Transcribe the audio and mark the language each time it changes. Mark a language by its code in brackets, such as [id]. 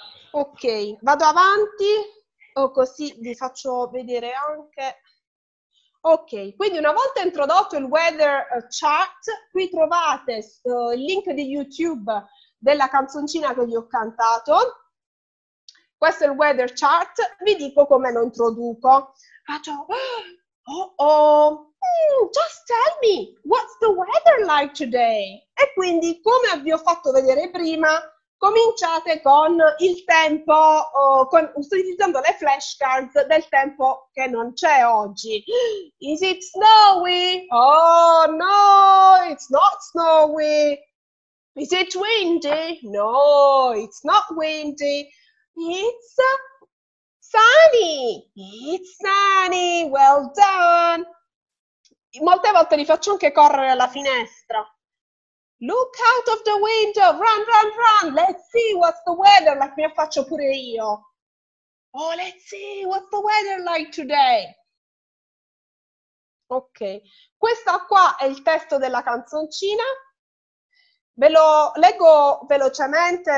[it] Ok, vado avanti. Così vi faccio vedere anche... Ok, quindi una volta introdotto il weather chart, qui trovate il link di YouTube della canzoncina che vi ho cantato. Questo è il weather chart, vi dico come lo introduco. [en] Faccio, oh oh, just tell me, what's the weather like today? [it] E quindi, come vi ho fatto vedere prima, cominciate con il tempo, utilizzando le flashcards del tempo che non c'è oggi. [en] Is it snowy? Oh no, it's not snowy. Is it windy? No, it's not windy. It's sunny. It's sunny. Well done. [it] Molte volte li faccio anche correre alla finestra. [en] Look out of the window. Run, run, run. Let's see what's the weather like. [it] Mi affaccio pure io. [en] Oh, let's see what's the weather like today. [it] Ok. Questo qua è il testo della canzoncina. Ve lo leggo velocemente.